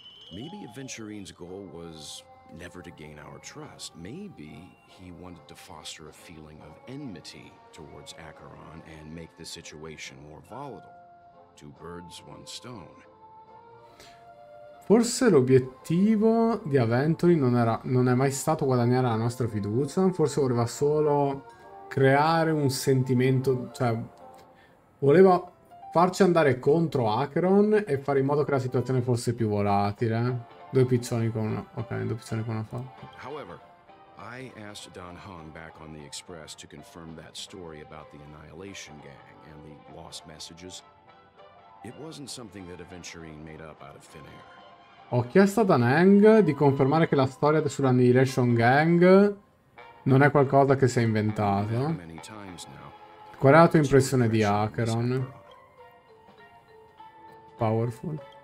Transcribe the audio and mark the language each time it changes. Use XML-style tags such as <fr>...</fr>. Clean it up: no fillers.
<en>Maybe Aventurine's goal was never to gain our trust. Maybe he wanted to foster a feeling of enmity towards Acheron and make the situation more volatile. Two birds, one stone.</en> <it>Forse l'obiettivo di Aventurine non è mai stato guadagnare la nostra fiducia. Forse voleva solo creare un sentimento, cioè. Voleva farci andare contro Acheron e fare in modo che la situazione fosse più volatile. Due piccioni con una... Ok, due piccioni con una fa.</it> <en>However, I asked Don Hung back on the Express to confirm that story about the Annihilation Gang and the lost messages. It wasn't something that Aventurine made up out of thin air.</en> <it>Ho chiesto a Don Hung di confermare che la storia sull'Annihilation Gang non è qualcosa che si è inventato. Qual è la tua impressione di Acheron?</it> <en>Powerful.</en>